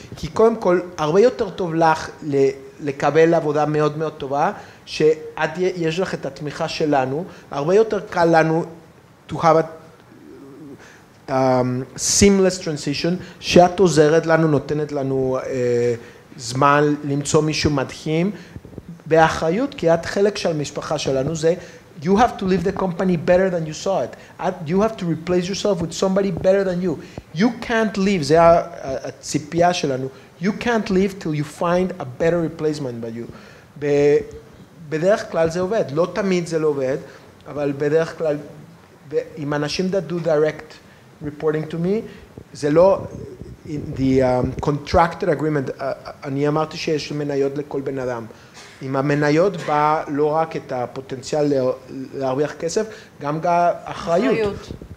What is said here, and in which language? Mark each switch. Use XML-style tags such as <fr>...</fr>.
<he>כי קודם כל, הרבה יותר טוב לך לקבל עבודה מאוד מאוד טובה, שעד יש לך את התמיכה שלנו, הרבה יותר קל לנו</he> <en>to have a seamless transition,</en> <he>שאת עוזרת לנו, נותנת לנו זמן למצוא מישהו מדהים, באחריות, כי את חלק של המשפחה שלנו, זה</he> <en>you have to leave the company better than you saw it. You have to replace yourself with somebody better than you. You can't leave,</en> <he>זה הציפייה שלנו,</he> <en>you can't leave till you find a better replacement by you.</en> <he>בדרך כלל זה עובד, לא תמיד זה לא עובד, אבל בדרך כלל, אם אנשים</he> <en>that do direct reporting to me,</en> <he>זה לא,</he> <en>in the contracted agreement,</en> <he>אני אמרתי שיש מניות לכל בן אדם. עם המניות בא לא רק את הפוטנציאל להרוויח כסף, גם האחריות.</he>